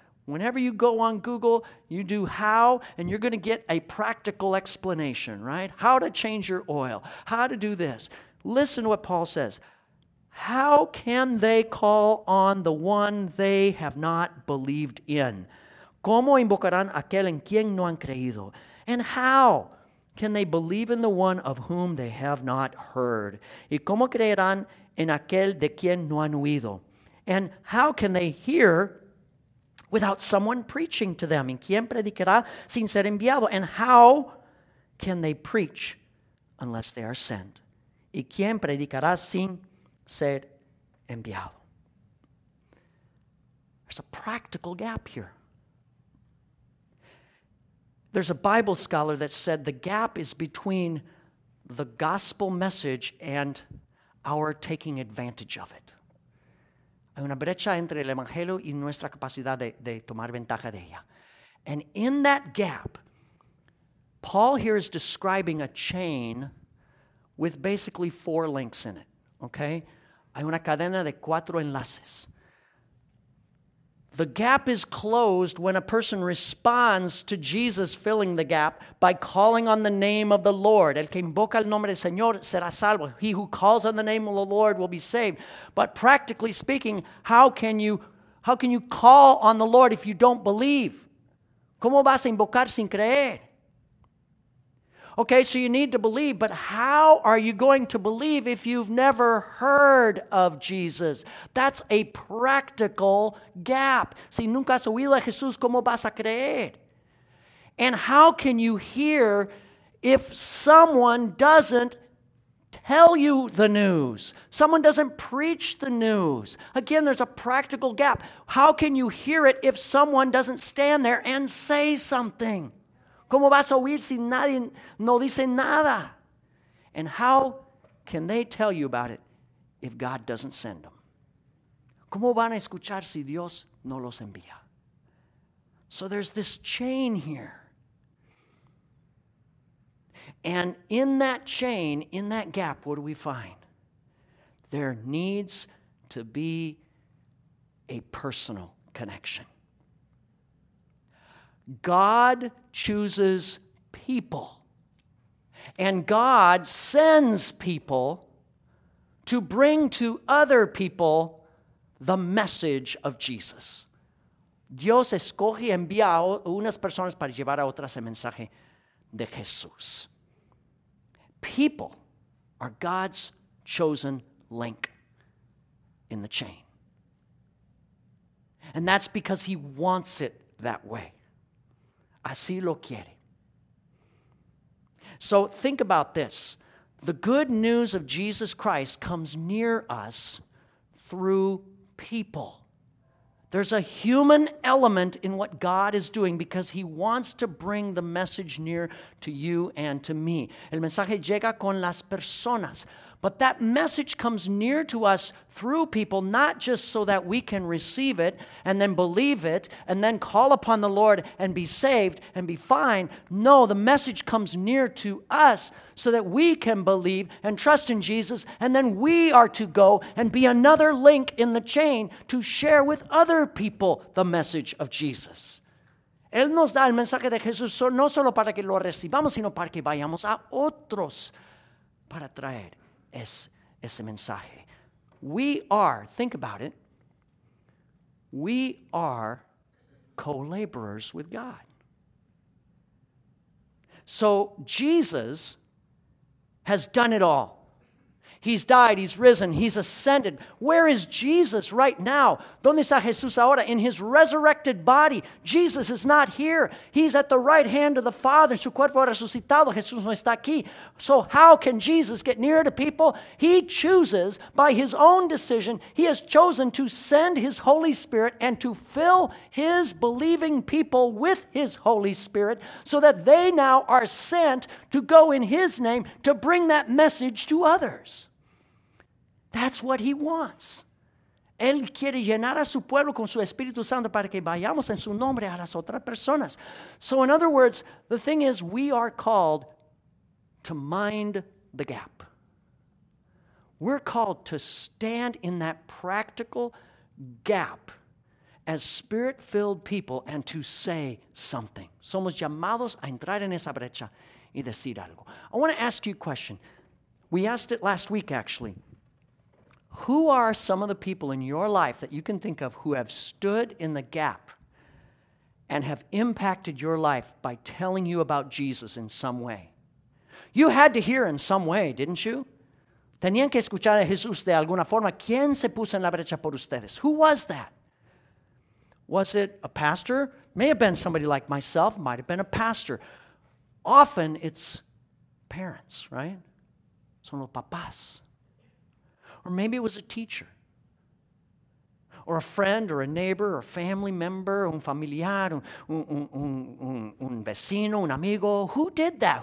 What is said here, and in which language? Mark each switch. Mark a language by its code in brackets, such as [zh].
[en] Whenever you go on Google, you do how, and you're going to get a practical explanation, right? How to change your oil. How to do this. Listen to what Paul says. How can they call on the one they have not believed in? [es] ¿Cómo invocarán aquel en quien no han creído? [en] And how can they believe in the one of whom they have not heard? [es] ¿Y cómo creerán en aquel de quien no han oído? [en] And how can they hear without someone preaching to them? [es] ¿Y quién predicará sin ser enviado? [en] And how can they preach unless they are sent? [es] ¿Y quién predicará sin ser enviado? [en] There's a practical gap here. There's a Bible scholar that said the gap is between the gospel message and our taking advantage of it. [es] Hay una brecha entre el evangelio y nuestra capacidad de tomar ventaja de ella. [en] And in that gap, Paul here is describing a chain with basically four links in it, okay? [es] Hay una cadena de cuatro enlaces. [en] The gap is closed when a person responds to Jesus filling the gap by calling on the name of the Lord. [es] El que invoca el nombre del Señor será salvo. [en] He who calls on the name of the Lord will be saved. But practically speaking, how can you call on the Lord if you don't believe? [es] ¿Cómo vas a invocar sin creer? [en] Okay, so you need to believe, but how are you going to believe if you've never heard of Jesus? That's a practical gap. [es] Si nunca has oído a Jesús, ¿cómo vas a creer? [en] And how can you hear if someone doesn't tell you the news? Someone doesn't preach the news. Again, there's a practical gap. How can you hear it if someone doesn't stand there and say something? [es] ¿Cómo vas a oír si nadie no dice nada? [en] And how can they tell you about it if God doesn't send them? [es] ¿Cómo van a escuchar si Dios no los envía? [en] So there's this chain here. And in that chain, in that gap, what do we find? There needs to be a personal connection. God chooses people, and God sends people to bring to other people the message of Jesus. [es] Dios escoge y envía a unas personas para llevar a otras el mensaje de Jesús. [en] People are God's chosen link in the chain. And that's because he wants it that way. [es] Así lo quiere. [en] So think about this. The good news of Jesus Christ comes near us through people. There's a human element in what God is doing because he wants to bring the message near to you and to me. [es] El mensaje llega con las personas. [en] But that message comes near to us through people, not just so that we can receive it and then believe it and then call upon the Lord and be saved and be fine. No, the message comes near to us so that we can believe and trust in Jesus, and then we are to go and be another link in the chain to share with other people the message of Jesus. [es] Él nos da el mensaje de Jesús no solo para que lo recibamos, sino para que vayamos a otros para traer. Ese mensaje. [en] We are, think about it, we are co-laborers with God. So Jesus has done it all. He's died, he's risen, he's ascended. Where is Jesus right now? [es] ¿Dónde está Jesús ahora? [en] In his resurrected body. Jesus is not here. He's at the right hand of the Father. [es] Su cuerpo resucitado, Jesús no está aquí. [en] So how can Jesus get near to people? He chooses, by his own decision, he has chosen to send his Holy Spirit and to fill his believing people with his Holy Spirit so that they now are sent to go in his name to bring that message to others. That's what he wants. [es] Él quiere llenar a su pueblo con su Espíritu Santo para que vayamos en su nombre a las otras personas. [en] So in other words, the thing is, we are called to mind the gap. We're called to stand in that practical gap as Spirit-filled people and to say something. [es] Somos llamados a entrar en esa brecha y decir algo. [en] I want to ask you a question. We asked it last week, actually. Who are some of the people in your life that you can think of who have stood in the gap and have impacted your life by telling you about Jesus in some way? You had to hear in some way, didn't you? [es] Tenían que escuchar a Jesús de alguna forma. ¿Quién se puso en la brecha por ustedes? [en] Who was that? Was it a pastor? May have been somebody like myself, might have been a pastor. Often it's parents, right? [es] Son los papás. [en] Or maybe it was a teacher, or a friend, or a neighbor, or a family member, [es] un familiar, un vecino, un amigo. [en] Who did that?